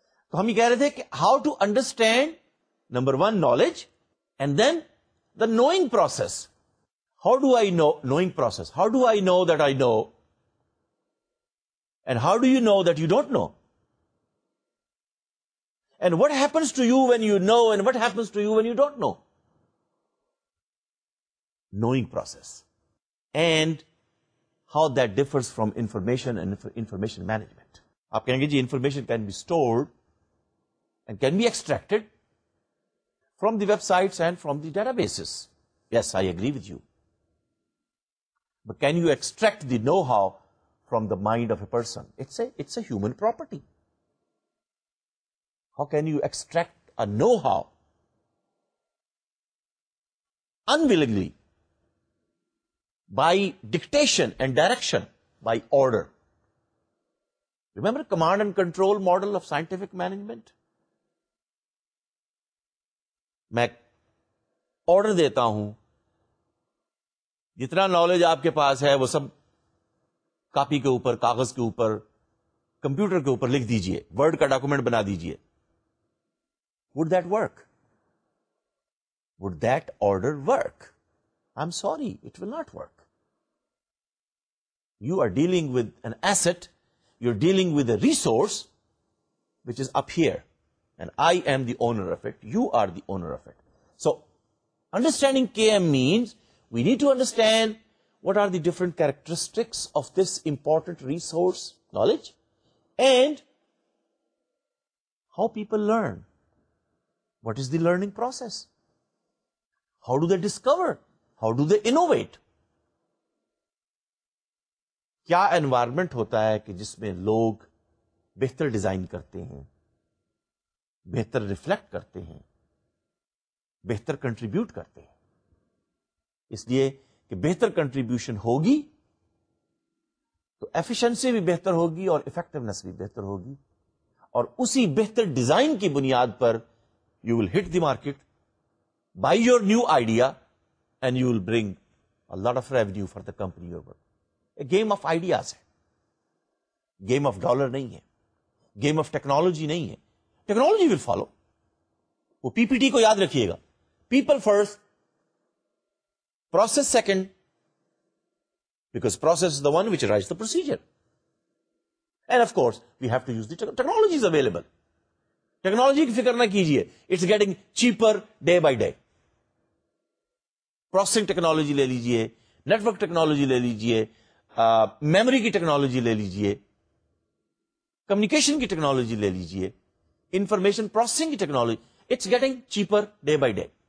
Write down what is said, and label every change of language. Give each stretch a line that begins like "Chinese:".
Urdu: تو ہم یہ کہہ رہے تھے کہ
English: How to understand number one knowledge, and then the knowing process. How do I know knowing process, how do I know that I know, and how do you know that you don't know, and what happens to you when you know, and what happens to you when you don't know. Knowing process and how that differs from information and information management.
Urdu: آپ کہیں گے جی
English: information can be stored and can be extracted from the websites and from the databases. Yes, I agree with you. But can you extract the know-how from the mind of a person? It's a human property. How can you extract a know-how unwillingly? By dictation and direction, by order. Remember command and control model of scientific management?
Urdu: میں order دیتا ہوں, جتنا knowledge آپ کے پاس ہے وہ سب copy کے اوپر, کاغذ کے اوپر, کمپیوٹر کے اوپر لکھ دیجئے, ورڈ کا ڈاکومنٹ بنا دیجئے.
English: Would that work? Would that order work? I'm sorry, it will not work. You are dealing with an asset, you're dealing with a resource which is up here, and I am the owner of it, you are the owner of it. So understanding KM means we need to understand what are the different characteristics of this important resource knowledge and how people learn, what is the learning process, how do they discover, how do they innovate.
Urdu: کیا environment ہوتا ہے کہ جس میں لوگ بہتر design کرتے ہیں, بہتر ریفلیکٹ کرتے ہیں, بہتر کنٹریبیوٹ کرتے ہیں. اس لیے کہ بہتر کنٹریبیوشن ہوگی تو ایفیشنسی بھی بہتر ہوگی اور افیکٹونیس بھی بہتر ہوگی, اور اسی بہتر ڈیزائن کی بنیاد پر
English: You will hit the market by your new idea and you will bring a lot of revenue for the company your work.
Urdu: Game of ideas ہے, گیم آف ڈالر نہیں ہے, گیم آف ٹیکنالوجی نہیں ہے.
English: Technology will follow.
Urdu: وہ پی P T کو یاد رکھیے گا,
English: People first process second, because process is the one which rise the procedure. And of course we have to use the technology is available.
Urdu: Technology کی فکر نہ کیجیے,
English: It's getting cheaper day by day.
Urdu: Processing technology لے لیجیے, network technology لے لیجیے, memory کی technology لے لیجیے, کمیونیکیشن کی ٹیکنالوجی لے لیجیے, انفارمیشن پروسیسنگ کی technology,
English: It's getting cheaper day by day.